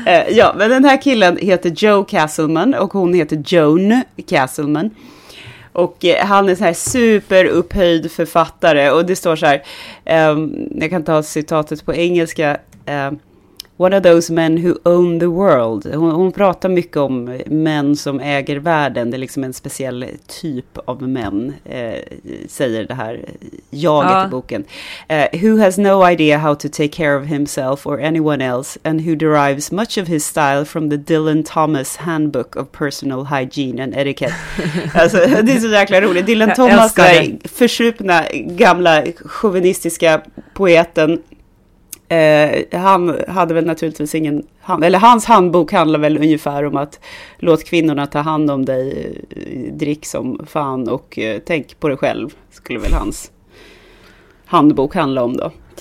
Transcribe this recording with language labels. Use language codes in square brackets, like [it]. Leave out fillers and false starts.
[sv] Ja, men den här killen heter Joe Castleman och hon heter Joan Castleman. Och han är så här superupphöjd författare. Och det står så här, jag kan ta citatet på engelska. [en] One of those men who own the world. [sv] Hon pratar mycket om män som äger världen. Det är liksom en speciell typ av män, säger det här jaget i boken. [en] Who has no idea how to take care of himself or anyone else. And who derives much of his style from the Dylan Thomas handbook of personal hygiene and etiquette. [sv] Alltså, det är så jäkla roligt. Dylan Thomas, den försupna gamla chauvinistiska poeten. Han hade väl naturligtvis ingen eller hans handbok handlar väl ungefär om att låt kvinnorna ta hand om dig, drick som fan och tänk på dig själv, skulle väl hans handbok handla om då.